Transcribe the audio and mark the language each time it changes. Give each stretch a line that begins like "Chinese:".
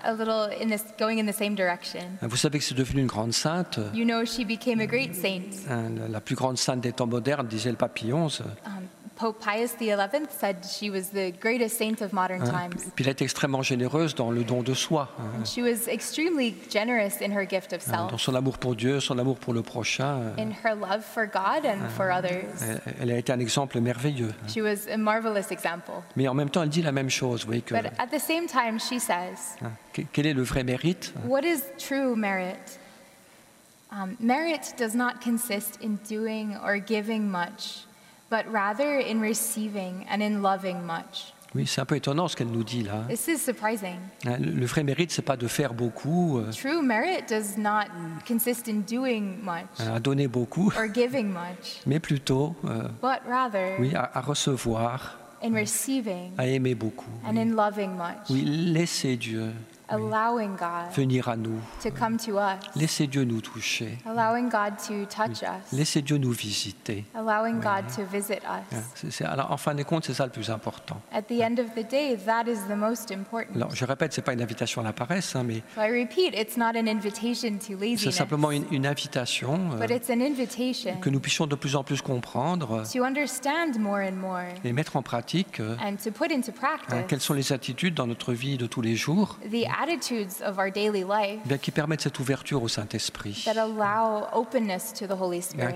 English: A little in this, going in the same direction.
French: Vous savez que c'est devenue une grande sainte.
English: You know she became a great saint.
French: La plus grande sainte des temps modernes, disait le pape Pie XI.
English: Pope Pius XI said she was the greatest saint of modern times.
French: Puis elle est extrêmement généreuse dans le don de soi.
English: She was extremely generous in her gift of self.
French: Dans son amour pour Dieu, son amour pour le prochain.
English: In her love for God and for others.
French: Elle a été un exemple merveilleux.
English: She was a marvelous example.
French: Mais en même temps, elle dit la même chose. Vous voyez que.
English: But at the same time, she says.
French: Quel est le vrai mérite?
English: What is true merit? Merit does not consist in doing or giving much. But rather in receiving and in loving much.
French: Oui, c'est un peu étonnant ce qu'elle nous dit là.
English: This is surprising.
French: Le vrai mérite, c'est pas de faire beaucoup.
English: True merit does not consist in doing much.
French: À donner beaucoup.
English: Or giving much.
French: Mais plutôt.
English: But rather.
French: Oui, à recevoir.
English: In receiving.
French: À aimer beaucoup.
English: And in loving much.
French: Oui, laisser Dieu.
English: Allowing God
French: venir à nous.
English: To come to us.
French: Laissez Dieu nous toucher.
English: Allowing God to touch us.
French: Laissez Dieu nous visiter.
English: Allowing God to visit us.
French: Alors, en fin de compte, c'est ça le plus important.
English: At the end of the day, that is the most important.
French: Alors, je répète, c'est pas une invitation à la paresse, mais.
English: So I repeat, it's not an invitation to laziness.
French: C'est simplement une invitation.
English: But it's an invitation.
French: Que nous puissions de plus en plus comprendre.
English: To understand more and more.
French: Et mettre en pratique.
English: And to put into practice.
French: Quelles sont les attitudes dans notre vie de tous les jours?
English: Attitudes of our daily life.
French: Bien, qui permettent cette ouverture au Saint-Esprit.
English: That allow openness to the Holy Spirit.